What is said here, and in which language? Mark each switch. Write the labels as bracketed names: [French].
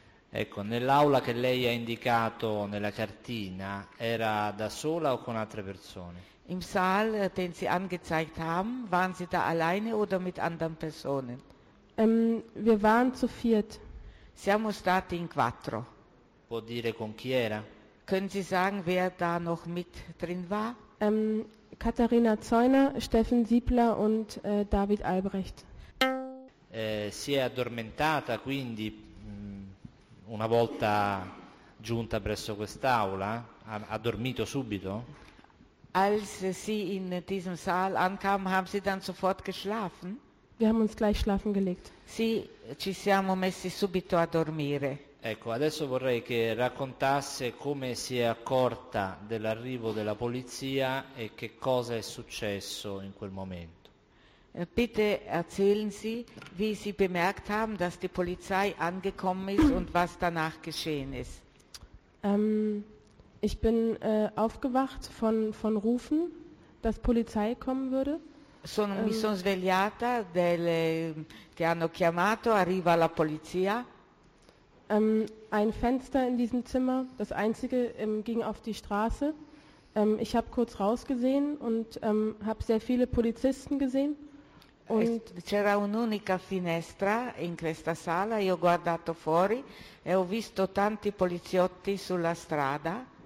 [Italian] Ecco, nell'aula che lei ha indicato nella cartina, era da sola o con altre persone? [German] Im Saal, den Sie angezeigt haben, waren Sie da alleine oder mit anderen Personen? Wir waren zu viert. [Italian] Siamo stati in quattro. Può dire con chi era? [German] Können Sie sagen, wer da noch mit drin war? Katharina Zäuner, Steffen Siebler und David Albrecht. [Italian] Si è addormentata, quindi una volta giunta presso quest'aula, ha dormito subito? [German] Als sie in diesem Saal ankam, haben sie dann sofort geschlafen? Wir haben uns gleich schlafen gelegt. [Italian] Sì, ci siamo messi subito a dormire. Ecco, adesso vorrei che raccontasse come si è accorta dell'arrivo della polizia e che cosa è successo in quel momento. [German] Bitte erzählen Sie, wie Sie bemerkt haben, dass die Polizei angekommen ist und was danach geschehen ist. Ich bin aufgewacht von Rufen, dass Polizei kommen würde. [Italian] Mi sono svegliata che hanno chiamato, arriva la polizia. [German] Ein Fenster in diesem Zimmer, das einzige, ging auf die Straße. Ich habe kurz rausgesehen und habe sehr viele Polizisten gesehen. Und [Italian] c'era un'unica finestra in questa sala, io ho guardato fuori e ho visto tanti poliziotti sulla strada.